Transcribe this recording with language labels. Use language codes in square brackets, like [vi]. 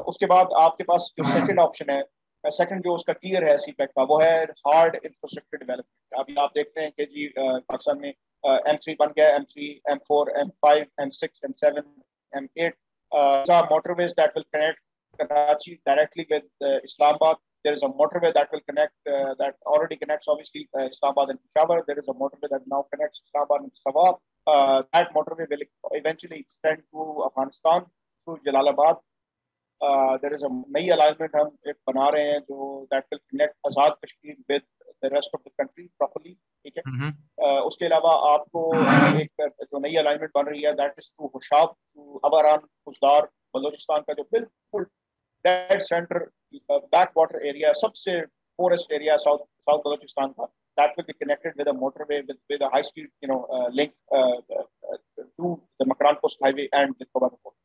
[ur] اس کے بعد آپ کے پاس جو سیکنڈ آپشن ہے, سیکنڈ جو اس کا ٹیئر ہے سی پیک کا, وہ ہے ہارڈ انفراسٹرکچر ڈیولپمنٹ. ابھی آپ دیکھ رہے ہیں کہ جی پاکستان میں M3 بن گیا, M4, M5, M6, M7, M8 motor ways [en] That will connect Karachi directly with Islamabad. There is a motorway that will connect that already connects obviously Islamabad and Peshawar. There is a motorway that now connects Islamabad and Sawab. That motorway will eventually extend to Afghanistan through Jalalabad. There is a new alignment [ur] hum ek bana rahe hain jo [en] that will connect Azad Kashmir with the rest of the country properly. [ur] Theek hai. Uske alawa aapko ek jo [en] new alignment ban rahi hai that is to Hoshab to Abaran Khuzdar [ur] Balochistan ka jo bilkul [en] dead center backwater area سب سے forest area south Balochistan کا, that will be connected with a motorway with a high speed you know link to the Makran coast highway and the کوبا پور.